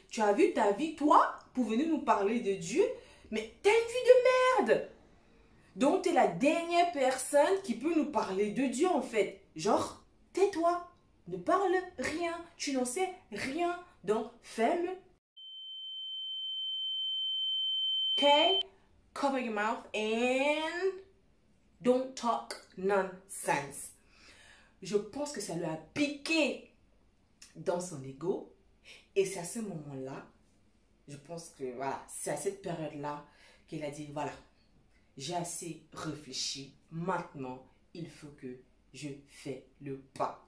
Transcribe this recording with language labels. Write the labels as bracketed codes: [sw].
[fr] Tu as vu ta vie, toi, pour venir nous parler de Dieu? Mais t'as une vie de merde! Donc, t'es la dernière personne qui peut nous parler de Dieu, en fait. Genre, tais-toi, ne parle rien, tu n'en sais rien, donc ferme. Ok? [en] Cover your mouth and don't talk nonsense. [fr] Je pense que ça lui a piqué dans son ego. Et c'est à ce moment-là, je pense que voilà, c'est à cette période-là qu'il a dit, voilà, j'ai assez réfléchi. Maintenant, il faut que je fasse le pas.